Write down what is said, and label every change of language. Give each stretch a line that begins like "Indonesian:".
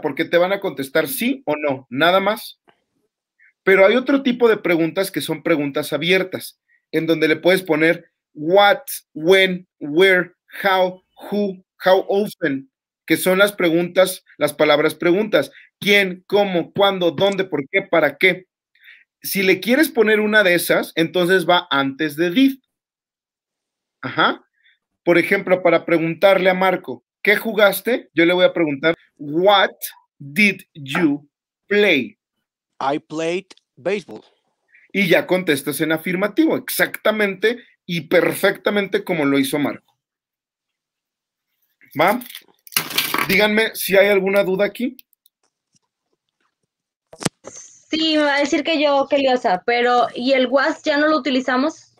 Spanish: Porque te van a contestar sí o no, nada más. Pero hay otro tipo de preguntas que son preguntas abiertas, en donde le puedes poner
English: what, when, where, how, who, how often,
Spanish: que son las preguntas, las palabras preguntas. ¿Quién, cómo, cuándo, dónde, por qué, para qué? Si le quieres poner una de esas, entonces va antes de did. Ajá. Por ejemplo, para preguntarle a Marco, ¿qué jugaste? Yo le voy a preguntar,
English: what did you play? I played baseball.
Spanish: Y ya contestas en afirmativo, exactamente y perfectamente como lo hizo Marco. ¿Va? Díganme si hay alguna duda aquí. Sí, me va a decir que yo, que liosa, pero ¿y el was ya no lo utilizamos?